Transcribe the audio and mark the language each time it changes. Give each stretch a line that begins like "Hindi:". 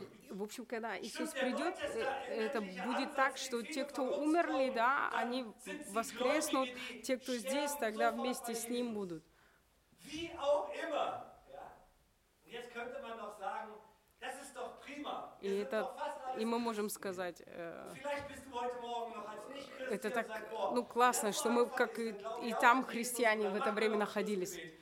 Russian: В общем, когда Иисус придет, это будет так, что те, кто умерли, да, они воскреснут, те, кто здесь, тогда вместе с Ним будут.
German: Wie auch immer. Ja. Und jetzt könnte man noch sagen, das ist doch prima.
Russian: И это, и мы можем сказать, это так, ну, классно, что мы, как и там христиане в это время находились.